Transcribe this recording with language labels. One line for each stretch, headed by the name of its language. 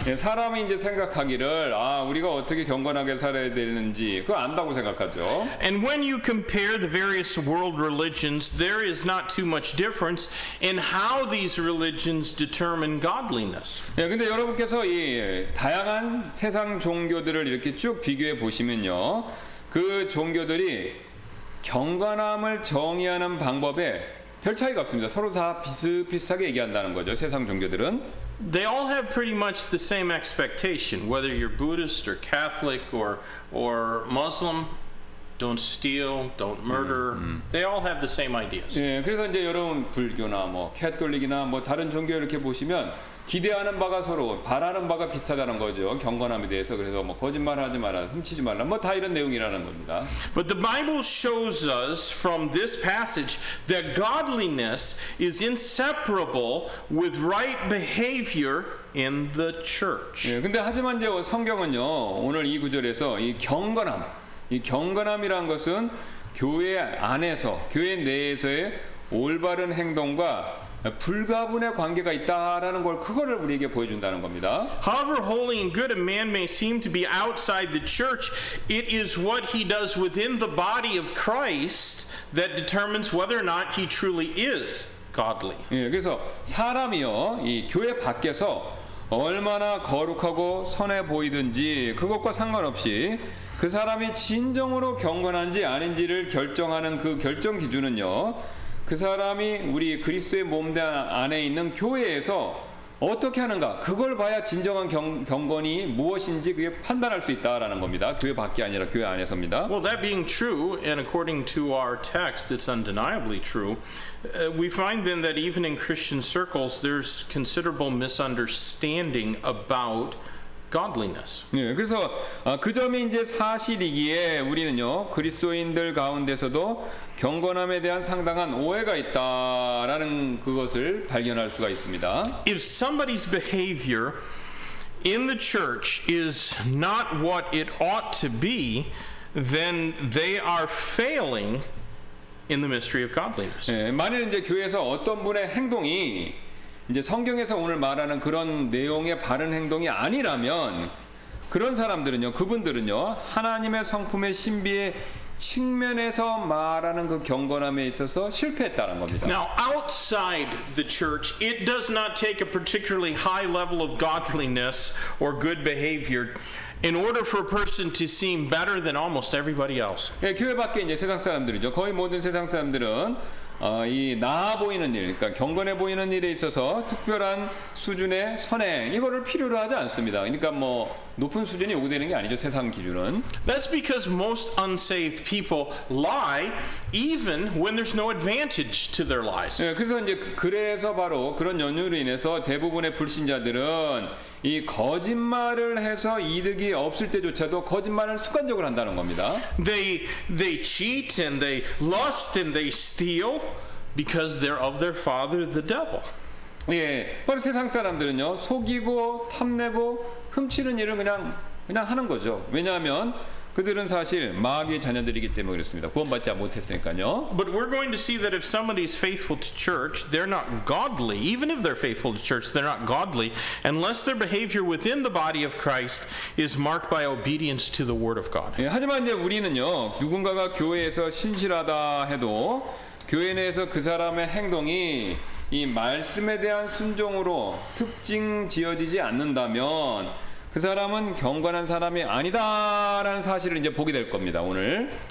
Korean: 예, 사람이 이제 생각하기를 아, 우리가 어떻게 경건하게 살아야 되는지 그거 안다고 생각하죠.
English: And when you compare the various world religions, there is not too much difference in how these religions determine godliness.
Korean: 예, 근데 여러분께서 이 다양한 세상 종교들을 이렇게 쭉 비교해 보시면요. 그 종교들이 경건함을 정의하는 방법에 별 차이가 없습니다. 서로 다 비슷비슷하게 얘기한다는 거죠. 세상 종교들은
English: They all have pretty much the same expectation whether you're Buddhist or Catholic or Muslim don't steal, don't murder. They all have the same ideas.
Korean: 예, 그래서 이제 여러분 불교나 뭐 캐톨릭이나 뭐 다른 종교 이렇게 보시면 기대하는 바가 서로 바라는 바가 비슷하다는 거죠. 경건함에 대해서 그래서 뭐 거짓말하지 마라, 훔치지 말라. 뭐 다 이런 내용이라는 겁니다.
English: But the Bible shows us from this passage that godliness is inseparable with right behavior in the church.
Korean: 예, 근데 하지만 이제 성경은요. 오늘 이 구절에서 이 경건함이라는 것은 교회 안에서 교회 내에서의 올바른 행동과 불가분의 관계가 있다라는 걸 그거를 우리에게 보여준다는 겁니다.
English: However holy and good a man may seem to be outside the church, it is what he does within the body of Christ that determines whether or not he truly is godly.
Korean: 예, 그래서 사람이요, 이 교회 밖에서 얼마나 거룩하고 선해 보이든지 그것과 상관없이 그 사람이 진정으로 경건한지 아닌지를 결정하는 그 결정 기준은요. 그 사람이 우리 그리스도의 몸 안에 있는 교회에서 어떻게 하는가 그걸 봐야 진정한 경건이 무엇인지 그게 판단할 수 있다라는 겁니다. 교회 밖이 아니라 교회 안에서입니다.
English: Well, that being true, and according to our text, it's undeniably true. We find then that even in Christian circles, there's considerable misunderstanding about godliness.
Korean: 네, 그래서 그 점이 이제 사실이기에 우리는요 그리스도인들 가운데서도 경건함에 대한 상당한 오해가 있다라는 그것을 발견할 수가 있습니다.
English: If somebody's behavior in the church is not what it ought to be, then they are failing in the mystery of godliness.
Korean: 네, 만일 이제 교회에서 어떤 분의 행동이 이제 성경에서 오늘 말하는 그런 내용의 바른 행동이 아니라면 그런 사람들은요, 그분들은요, 하나님의 성품의 신비의 측면에서 말하는 그 경건함에 있어서 실패했다는 겁니다.
English: Now outside the church, it does not take a particularly high level of godliness or good behavior in order for a person to seem better than almost everybody else.
Korean: 예, 교회 밖에 이제 세상 사람들이죠. 거의 모든 세상 사람들은 이 나아 보이는 일, 그러니까 경건해 보이는 일에 있어서 특별한 수준의 선행 이거를 필요로 하지 않습니다. 그러니까 뭐 높은 수준이 요구되는 게 아니죠. 세상 기준은.
English: That's because most unsaved people lie even when there's no advantage to their lies.
Korean: 예, 그래서 이제 그래서 바로 그런 연유로 인해서 대부분의 불신자들은 이 거짓말을 해서 이득이 없을 때조차도 거짓말을 습관적으로 한다는 겁니다.
English: They cheat and they lust and they steal because they're of their father the devil.
Korean: 예, 바로 세상 사람들은요 속이고 탐내고 훔치는 일을 그냥 하는 거죠. 왜냐하면 그들은 사실 마귀의 자녀들이기 때문에 그렇습니다. 구원받지 못했으니까요.
English: But we're going to see that if somebody is faithful to church, they're not godly. Even if they're faithful to church, they're not godly unless their behavior within the body of Christ is marked by obedience to the word of God.
Korean: 예, 하지만 이제 우리는요 누군가가 교회에서 신실하다 해도 교회 내에서 그 사람의 행동이 이 말씀에 대한 순종으로 특징 지어지지 않는다면 그 사람은 경건한 사람이 아니다라는 사실을 이제 보게 될 겁니다, 오늘.